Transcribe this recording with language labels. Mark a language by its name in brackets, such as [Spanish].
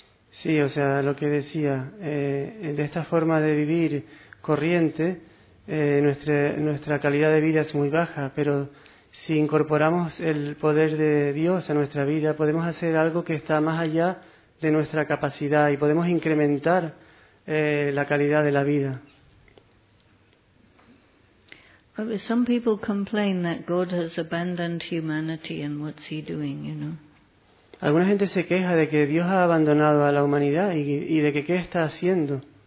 [Spanish] Sí, o sea, lo que decía, de esta forma de vivir corriente, nuestra calidad de vida es muy baja, pero si incorporamos el poder de Dios a nuestra vida, podemos hacer algo que está más allá de nuestra capacidad y podemos incrementar la calidad de la vida. [English] Some people complain that God has abandoned humanity and what's he doing, you know. [Spanish] Alguna gente se queja de que Dios ha abandonado a la humanidad y de que qué está haciendo.